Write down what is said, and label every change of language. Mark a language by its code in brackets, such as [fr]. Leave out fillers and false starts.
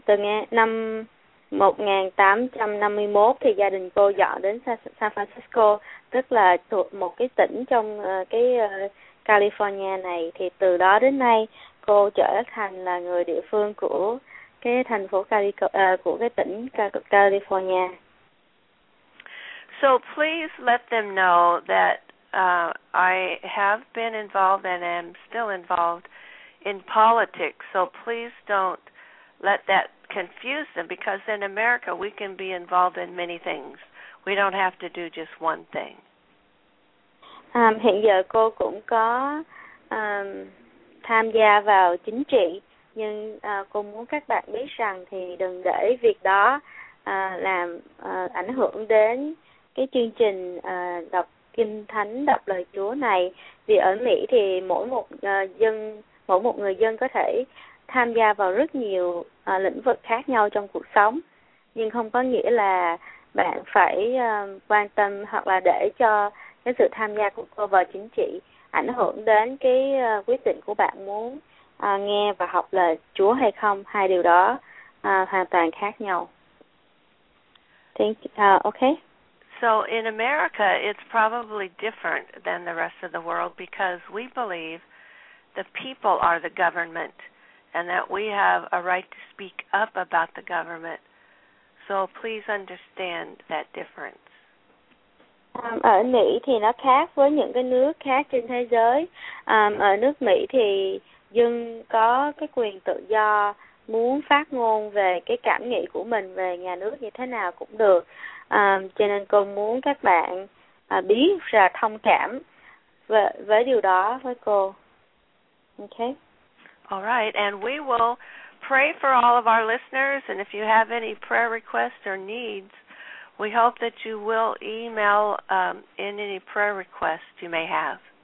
[vi] Từ năm 1851 thì gia đình cô dọn đến San Francisco, tức là thuộc một cái tỉnh trong California này. Thì từ đó đến nay cô trở thành là người địa phương của cái thành phố của cái tỉnh California. [en] So please let them know that I have been involved and am still involved in politics, so please don't let that confuse them, because in America we can be involved in many things. We don't have to do just one thing. [vi] Hiện giờ cô cũng có tham gia vào chính trị, nhưng cô muốn các bạn biết rằng thì đừng để việc đó làm ảnh hưởng đến cái chương trình đọc kinh thánh, đọc lời Chúa này. Vì ở Mỹ thì mỗi một người dân có thể tham gia vào rất nhiều lĩnh vực khác nhau trong cuộc sống, nhưng không có nghĩa là bạn phải quan tâm hoặc là để cho cái sự tham gia của cô vào chính trị ảnh hưởng đến cái quyết định của bạn muốn nghe và học lời Chúa hay không. Hai điều đó hoàn toàn khác nhau. [en] Okay. So in America, it's probably different than the rest of the world, because we believe the people are the government, and that we have a right to speak up about the government. So please understand that difference. [vi] Ở Mỹ thì nó khác với những cái nước khác trên thế giới. Ở nước Mỹ thì dân có cái quyền tự do muốn phát ngôn về cái cảm nghĩ của mình về nhà nước như thế nào cũng được. Cho nên cô muốn các bạn biết và thông cảm với điều đó với cô. [en] Okay. All right, and we will pray for all of our listeners, and if you have any prayer requests or needs, we hope that you will email in any prayer requests you may have.